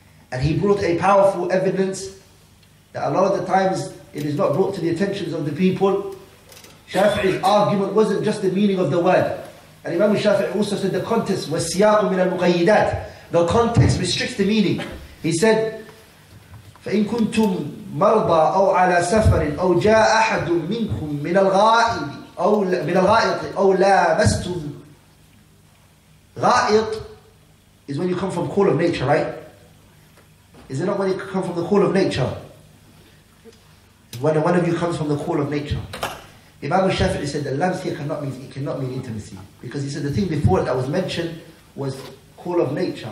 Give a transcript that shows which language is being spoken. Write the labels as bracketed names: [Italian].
[English] And he brought a powerful evidence that a lot of the times it is not brought to the attentions of the people. Shafi'i's argument wasn't just the meaning of the word. And Imam Shafi'i also said the context, [Arabic] وَالسِّيَاقُ مِنَ الْمُقَيِّدَاتِ. [English] The context restricts the meaning. [Arabic] He said, فَإِنْ كُنْتُمْ مَرْضَى أَوْ عَلَى سَفَرٍ أَوْ جَاءَ أَحَدٌ مِنْكُمْ مِنَ الْغَائِبِ أَوْ لَامَسْتُمْ. [English] غائط is when you come from call of nature, right? Is it not when you come from the call of nature? When one of you comes from the call of nature. Imam al-Shafi'i said the lambs here cannot mean intimacy. Because he said the thing before that was mentioned was call of nature.